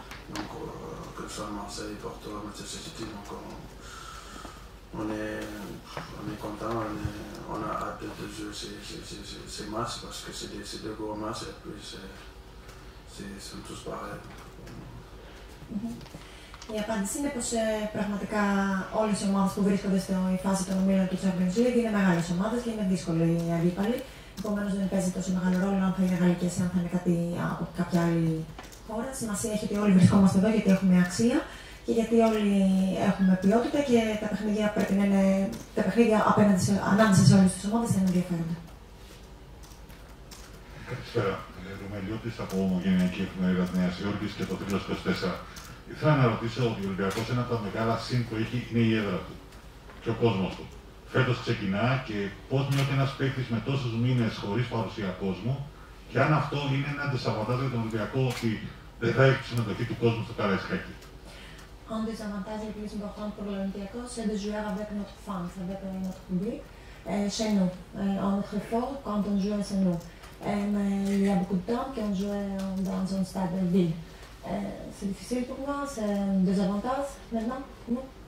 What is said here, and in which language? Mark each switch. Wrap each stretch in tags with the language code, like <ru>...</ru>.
<fr>Donc que ce soit Marseille, Porto, Manchester City, donc on est content, on a hâte de jouer ces matchs parce que c'est des gros matchs et puis c'est tous pareils.</fr> <el>Η απάντηση είναι πως πραγματικά όλες οι ομάδες που βρίσκονται στην φάση των ομίλων του Champions League είναι μεγάλες ομάδες και είναι δύσκολοι οι αντίπαλοι. Επομένως δεν παίζει τόσο μεγάλο ρόλο αν θα είναι γαλλικές ή αν θα είναι κάτι από κάποια άλλη χώρα. Σημασία έχει ότι όλοι βρισκόμαστε εδώ γιατί έχουμε αξία. Και γιατί όλοι έχουμε ποιότητα και τα παιχνίδια πρέπει να είναι τα παιχνίδια ανάμεσα σε όλες τις ομάδες είναι ενδιαφέροντα. Καλησπέρα. Ρουμελιώτης από Ομογενειακή Εφημερίδα της Νέας Υόρκης και το Τρίλος 24. Ήθελα να ρωτήσω ότι ο Ολυμπιακός ένα από τα μεγάλα σύν που έχει είναι η έδρα του και ο κόσμος του. Φέτος ξεκινά και πώς νιώθει ένας παίκτης με τόσους μήνες χωρίς παρουσία κόσμου και αν αυτό είναι ένα αντισαβαντάζ για τον Ολυμπιακό ότι δεν θα έχει τη συμμετοχή του κόσμου στο Καραϊσκάκι.</el> <fr>Un des avantages les plus importants pour l'Olympiakos, c'est de jouer avec notre fans, avec notre public, chez nous. On est très fort quand on joue chez nous. Il y a beaucoup de temps qu'on joue dans un stade de ville. C'est difficile pour moi, c'est un désavantage maintenant, non?</fr>